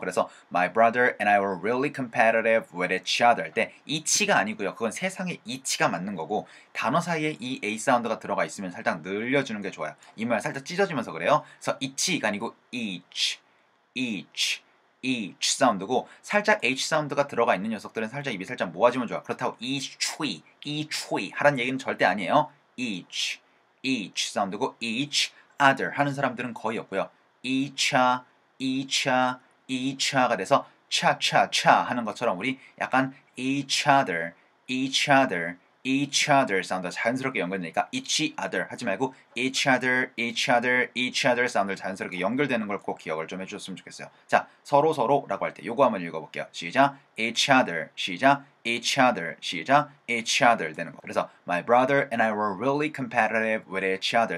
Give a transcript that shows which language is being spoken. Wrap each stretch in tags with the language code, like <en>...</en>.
<en>그래서 my brother and I were really competitive with each other</en> <ko>할 때 each가 아니고요. 그건 세상에 each가 맞는 거고 단어 사이에 이 a 사운드가 들어가 있으면 살짝 늘려주는 게 좋아요. 이 말 살짝 찢어지면서 그래요. 그래서 each가 아니고 each, each, each 사운드고 살짝 h 사운드가 들어가 있는 녀석들은 살짝 입이 살짝 모아지면 좋아요. 그렇다고 each tree, each tree 하란 얘기는 절대 아니에요. each, each 사운드고 each other 하는 사람들은 거의 없고요. each-a, each-a, each-a가 돼서 cha-cha-cha 하는 것처럼 우리 약간 each other, each other, each other 사운드가 자연스럽게 연결되니까 each other 하지 말고 each other, each other, each other 사운드를 자연스럽게 연결되는 걸 꼭 기억을 좀 해주셨으면 좋겠어요. 자, 서로서로라고 할 때 요거 한번 읽어볼게요. 시작,</ko> <en>each other, 시작, each other, 시작, each other 되는 거.</en> <ko>그래서</ko> <en>my brother and I were really competitive with each other.</en>